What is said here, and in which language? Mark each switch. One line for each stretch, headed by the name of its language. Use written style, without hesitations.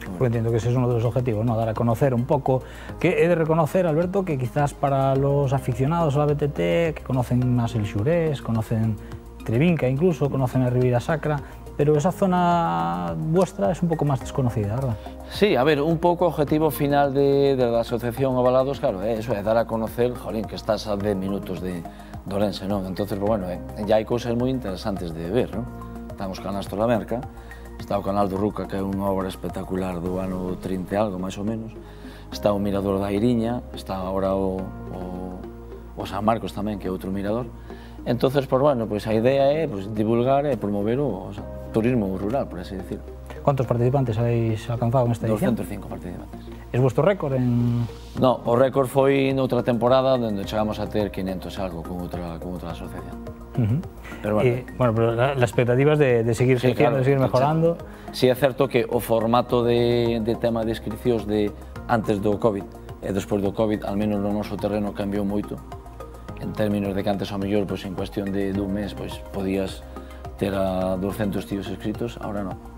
Spanish: Pues entiendo que ese es uno de los objetivos, ¿no? Dar a conocer un poco. Que he de reconocer, Alberto, que quizás para los aficionados a la BTT, que conocen más el Xurés, conocen Trevinca incluso, conocen la Ribera Sacra, pero esa zona vuestra es un poco más desconocida, ¿verdad? Sí, a ver, un poco objetivo final de la asociación Avalados, claro, eso es dar a conocer, jolín, que estás a 10 minutos de Orense, ¿no? Entonces, bueno, ya hay cosas muy interesantes de ver, ¿no?
Galician: Están os canastros da Merca, está o canal do Ruca, que é unha obra espectacular do ano 30 e algo, máis ou menos, está o mirador da Iriña, está agora o San Marcos tamén, que é outro mirador. Entón, bueno, pues, a idea é pues, divulgar e promover o turismo rural, por así decirlo.
Spanish: ¿Cuántos participantes habéis alcanzado en esta edición? 205 participantes. ¿Es vuestro récord en...?
Galician: No, o récord foi noutra temporada, onde chegamos a ter 500 algo con outra asociación.
Spanish: Pero bueno, pero la expectativa es de seguir creciendo, sí, claro, de seguir mejorando.
Galician: Sí, é certo que o formato de tema de inscripcións de antes do COVID e despois do COVID, al menos no noso terreno, cambiou moito. En términos de que antes, ao mellor, pues, en cuestión de dun mes, pues, podías ter a 200 tíos escritos, ahora non.